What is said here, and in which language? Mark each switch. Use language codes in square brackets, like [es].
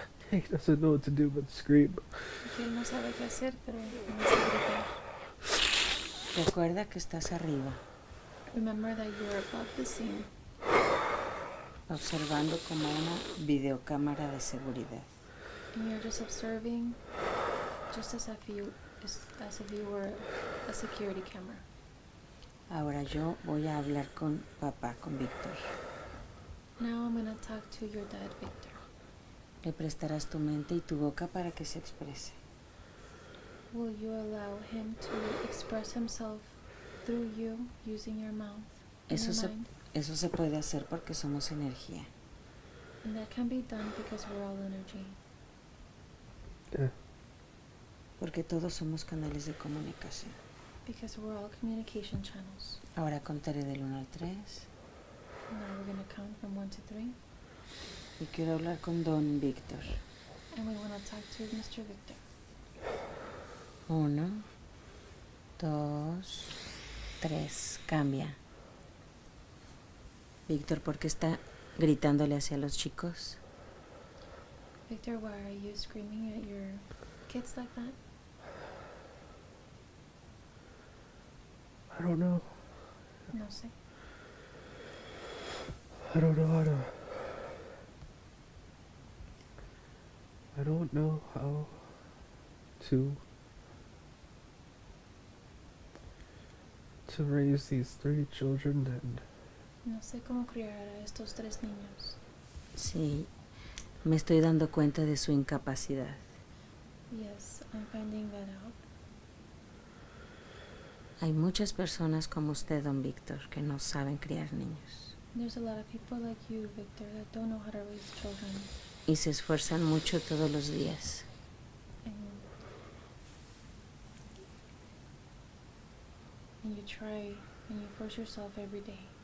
[en] He doesn't know what to do but scream. [es] Que no sabe qué hacer, pero no sabe gritar. Recuerda que estás arriba. [en] Remember that you're above the scene. [es] Observando como una videocámara de seguridad. [en] And you're just observing, just as if you were a security camera. [es] Ahora yo voy a hablar con papá, con Víctor. [en] Now I'm going to talk to your dad, Victor. [es] Le prestarás tu mente y tu boca para que se exprese. [en] Will you allow him to express himself through you using your mouth? [es] Eso se puede hacer porque somos energía. [en] And that can be done because we're all energy. Yeah. [es] Porque todos somos canales de comunicación. [en] Because we're all communication channels. [es] Ahora contaré del 1 al 3. [en] Now we're going to count from 1 to 3. [es] Y quiero hablar con Don Víctor. [en] And we want to talk to Mr. Victor. [es] 1, 2, 3. Cambia. Víctor, ¿por qué está gritándole hacia los chicos? [en] Victor, why are you screaming at your kids like that? I don't know. [es] No sé. [en] I don't know how to raise these three children and... [es] No sé cómo criar a estos tres niños. Sí, me estoy dando cuenta de su incapacidad. [en] Yes, I'm finding that out. [es] Hay muchas personas como usted, Don Víctor, que no saben criar niños. [en] There's a lot of people like you, Victor, that don't know how to raise children. [es] Y se esfuerzan mucho todos los días. [en] And you try and you force yourself every day.